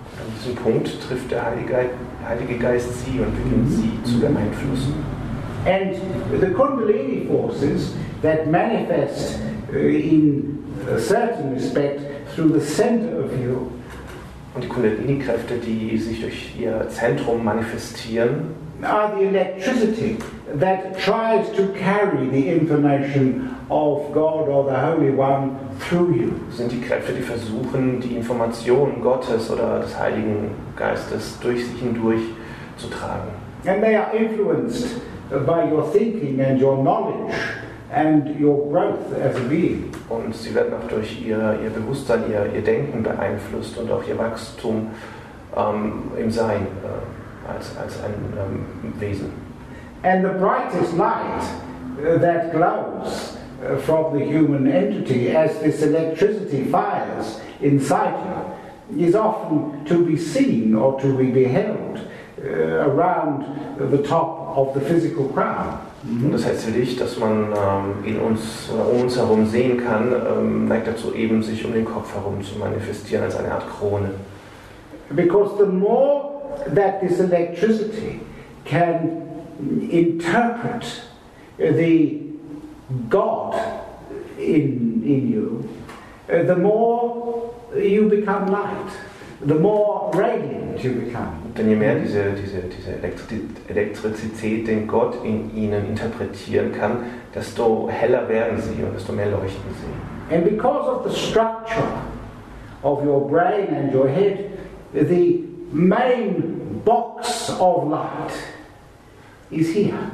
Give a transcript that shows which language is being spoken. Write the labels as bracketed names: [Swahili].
[German] An diesem Punkt trifft der Heilige Geist Sie und beginnt Sie zu beeinflussen. [English] And the Kundalini forces that manifest in a certain respect through the center of you. [German] Und die Kundalini-Kräfte, die sich durch ihr Zentrum manifestieren, [English] are the electricity that tries to carry the information of God or the Holy One through you. [German] Sind die Kräfte, die versuchen, die Information Gottes oder des Heiligen Geistes durch sich hindurch zu tragen. [English] And they are influenced by your thinking and your knowledge and your growth as a being. [German] Und sie werden auch durch ihr Bewusstsein, ihr Denken beeinflusst und auch ihr Wachstum im Sein als ein Wesen. [English] And the brightest light that glows from the human entity as this electricity fires inside you is often to be seen or to be beheld around the top of the physical crown. [German] Und das heißt, Licht, das man in uns oder um uns herum sehen kann, neigt dazu eben, sich um den Kopf herum zu manifestieren als eine Art Krone. [English] Because the more that this electricity can interpret the God in you, the more you become light, the more radiant you become. [German] Denn je mehr diese Elektrizität den Gott in Ihnen interpretieren kann, desto heller werden Sie und desto mehr leuchten Sie. [English] And because of the structure of your brain and your head, the main box of light is here.